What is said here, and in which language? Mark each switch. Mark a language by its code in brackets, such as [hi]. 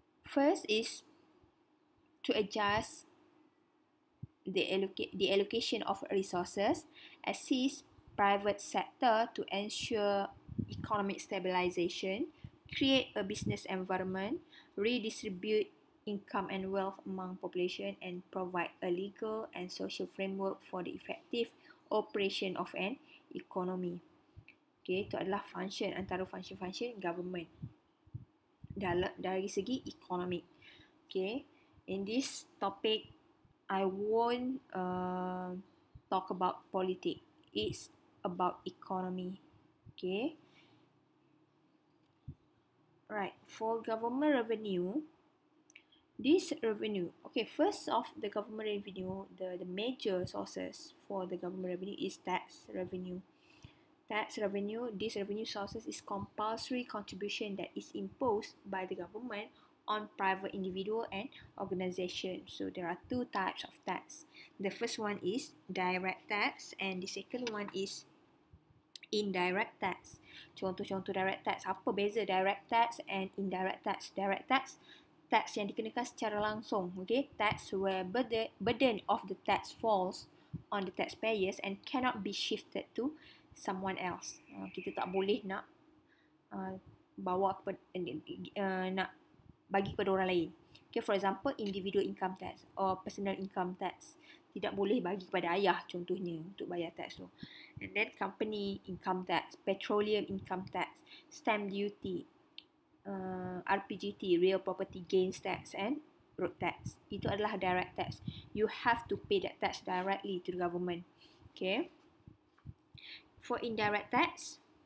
[en] First is to adjust the allocation of resources, assist private sector to ensure economic stabilization, create a business environment, redistribute income and wealth among population, and provide a legal and social framework for the effective operation of an economy. [ms] Okay, itu adalah function, antara function-function government dari segi ekonomi. [en] Okay, in this topic, I won't talk about politics. It's about economy. Okay. Right, for government revenue, this revenue, okay, first of the government revenue, the major sources for the government revenue is tax revenue. Tax revenue, this revenue sources is compulsory contribution that is imposed by the government on private individual and organization. So there are two types of tax. The first one is direct tax and the second one is indirect tax. [ms] Contoh-contoh direct tax, apa beza direct tax and indirect tax? Direct tax, tax yang dikenakan secara langsung, okay? [en] Tax where burden of the tax falls on the taxpayers and cannot be shifted to someone else. [ms] Kita tak boleh nak nak bagi kepada orang lain. [en] Okay, for example, individual income tax or personal income tax. [ms] Tidak boleh bagi kepada ayah contohnya untuk bayar tax tu. [en] And then company income tax, petroleum income tax, stamp duty, RPGT, real property gains tax and road tax. [ms] Itu adalah [en] direct tax. You have to pay that tax directly to the government. Okay. For indirect tax,